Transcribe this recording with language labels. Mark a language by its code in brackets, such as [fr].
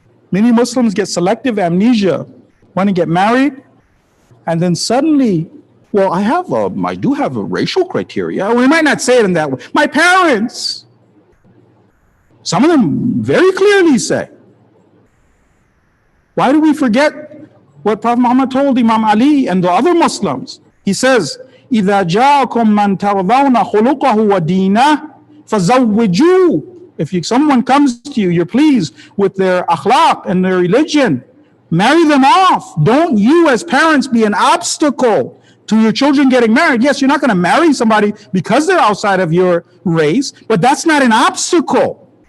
[en] Many Muslims get selective amnesia. Want to get married, and then suddenly, well, I do have a racial criteria. We might not say it in that way. My parents, some of them very clearly say. Why do we forget what Prophet Muhammad told Imam Ali and the other Muslims? He says, [ar] إِذَا جَاءَكُمْ مَنْ تَرْضَوْنَ خُلُقَهُ وَدِينَهُ فَزَوِّجُوا. [en] If someone comes to you, you're pleased with their akhlaq and their religion, marry them off. Don't you as parents be an obstacle to your children getting married. Yes, you're not going to marry somebody because they're outside of your race, but that's not an obstacle.